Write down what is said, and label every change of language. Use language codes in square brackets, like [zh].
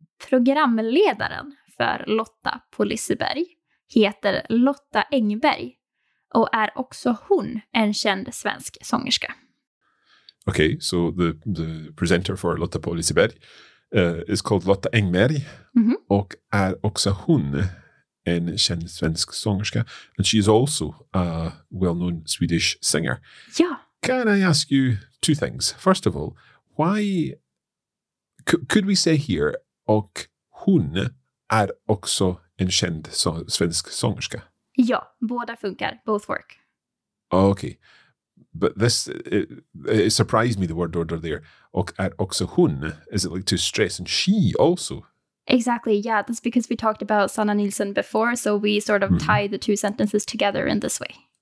[sv] Programledaren för Lotta på Liseberg heter Lotta Engberg. Och är också hon en känd svensk sångerska. [en] Okay, so the presenter for Lotta på Liseberg is called Lotta Engberg. Mm-hmm. [sv] Och är också hon en känd svensk sångerska. [en] And she is also a well-known Swedish singer. Yeah. Can I ask you two things? First of all, why could we say here [sv] och hon är också en känd svensk sångerska? Ja, båda funkar. [en] Both work. Okay. But it surprised me, the word order there. [sv] Och är också hon. [en] Is it like to stress? And she also? Exactly, yeah. That's because we talked about Sanna Nilsen before, so we sort of tie the two sentences together in this way.